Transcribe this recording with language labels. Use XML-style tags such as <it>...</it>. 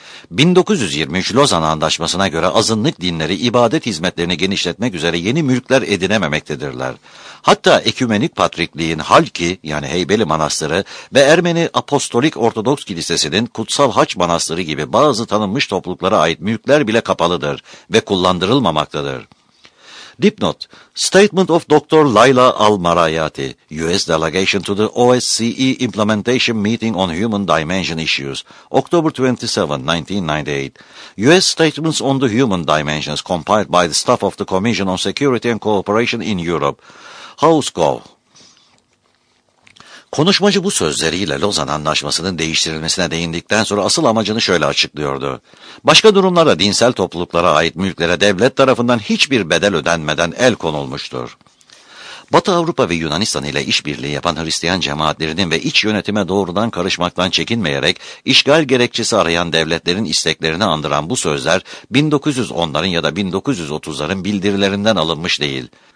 <tr>1923 Lozan Antlaşması'na göre azınlık dinleri ibadet hizmetlerini genişletmek üzere yeni mülkler edinememektedirler. Hatta Ekümenik Patrikliğin Halki yani Heybeli Manastırı ve Ermeni Apostolik Ortodoks Kilisesi'nin Kutsal Haç Manastırı gibi bazı tanınmış topluluklara ait mülkler bile kapalıdır ve kullandırılmamaktadır. Dipnot,</tr> <en>Statement of Dr. Layla Al-Marayati, U.S. Delegation to the OSCE Implementation Meeting on Human Dimension Issues, October 27, 1998. U.S. Statements on the Human Dimensions, compiled by the staff of the Commission on Security and Cooperation in Europe, Housecov.</en> <tr>Konuşmacı bu sözleriyle Lozan Antlaşması'nın değiştirilmesine değindikten sonra asıl amacını şöyle açıklıyordu. Başka durumlarda dinsel topluluklara ait mülklere devlet tarafından hiçbir bedel ödenmeden el konulmuştur. Batı Avrupa ve Yunanistan ile işbirliği yapan Hristiyan cemaatlerinin ve iç yönetime doğrudan karışmaktan çekinmeyerek işgal gerekçesi arayan devletlerin isteklerini andıran bu sözler 1910'ların ya da 1930'ların bildirilerinden alınmış değil.</tr>